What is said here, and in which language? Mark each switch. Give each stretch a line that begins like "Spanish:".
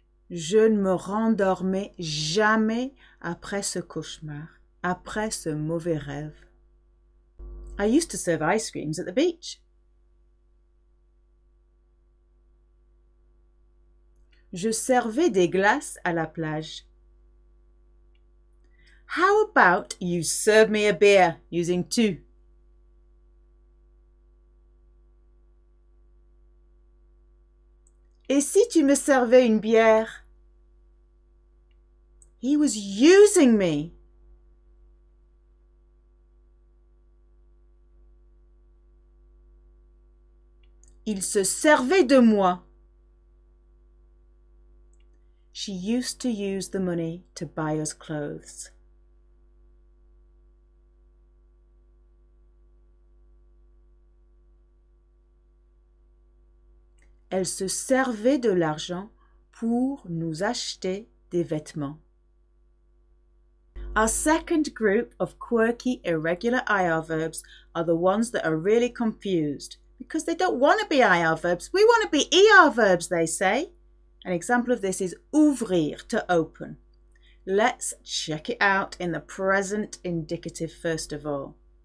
French: Je ne me rendormais jamais après ce cauchemar, après ce mauvais rêve.
English: I used to serve ice creams at the beach.
French: Je servais des glaces à la plage.
English: How about you serve me a beer, using to?
French: Et si tu me servais une bière?
English: He was using me.
French: Il se servait de moi.
English: She used to use the money to buy us clothes.
French: Elle se servait de l'argent pour nous acheter des vêtements.
English: Our second group of quirky, irregular IR verbs are the ones that are really confused because they don't want to be IR verbs. We want to be ER verbs, they say. An example of this is ouvrir, to open. Let's check it out in the present indicative first of all.